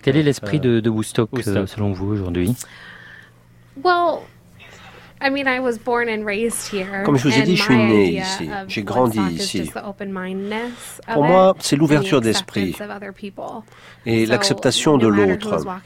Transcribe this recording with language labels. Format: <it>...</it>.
<fr>Quel est l'esprit de Woodstock, selon vous aujourd'hui?</fr> <en>Well, I mean, I was born and raised here.</en> <fr>Comme je vous ai dit, je suis né ici. J'ai grandi ici. Pour moi, c'est l'ouverture d'esprit et l'acceptation de l'autre.</fr>